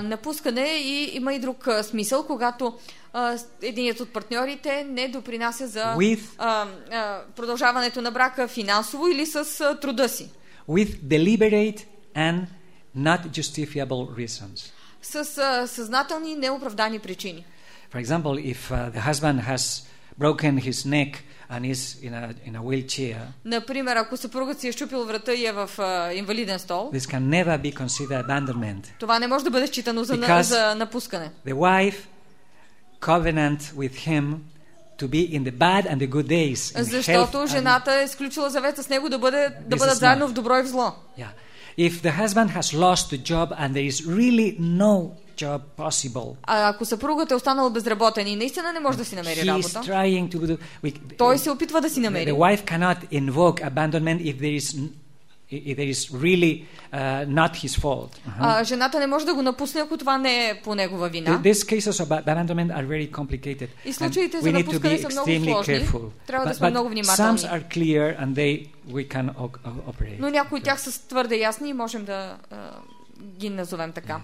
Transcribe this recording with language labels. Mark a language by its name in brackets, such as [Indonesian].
[Bulgarian] Напускане и има и друг смисъл, когато единият от партньорите не допринася за продължаването на брака финансово или с труда си. [English] With deliberate and not justifiable reasons. [Bulgarian] С съзнателни неоправдани причини. [English] For example, if the husband has broken his neck and is in a wheelchair. [Bulgarian] Например, ако съпругът си е счупил врата и е в инвалиден стол. [English] This can never be considered abandonment. [Bulgarian] Това не може да бъде считано за напускане. [English] The wife covenant with him to be in the bad and the good days. [Bulgarian] Защото жената е сключила завет с него да бъдат заедно в добро и в зло. [English] Yeah. If the husband has lost the job and there is really no job possible. [Bulgarian] Ако съпругът е останал безработен и наистина не може да си намери работа. [English] He is trying to do. [Bulgarian] Той се опитва да си намери. [English] The wife cannot invoke abandonment if there is really not his fault. [Bulgarian] Жената не може да го напусне, ако това не е по негова вина. [English] These cases of abandonment are very complicated. [Bulgarian] И случаите за напускане са много сложни. Трябва да сме много внимателни. [English] Some are clear and they we can operate. [Bulgarian] Но някои от тях са твърде ясни и можем да ги назовем така.